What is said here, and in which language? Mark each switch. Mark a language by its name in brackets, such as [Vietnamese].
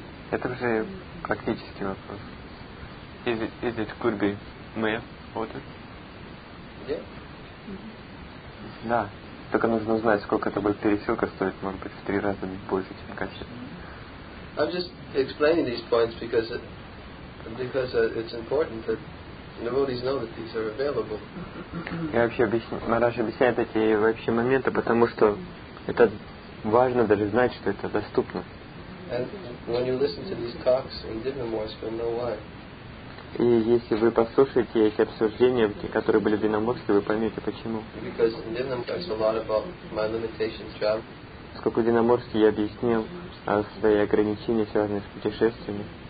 [Russian] Это уже практический вопрос. [English] Is it could be male water? Yeah. [Russian] Да. Только нужно узнать, сколько это будет пересылка стоить, может быть, в три раза больше, чем кассет. [English] I'm just explaining these points because it's important that devotees know that these are available. [Russian] Я вообще объясняю, Мараш объясняет эти вообще моменты, потому что это важно даже знать, что это доступно. [English] And when you listen to these talks in Dinamarca, you'll know why. [Russian] И если вы послушаете эти обсуждения, которые были в Динамурске, вы поймете почему. Сколько в Динамурске я объяснил свои ограничения, связанные с путешествиями.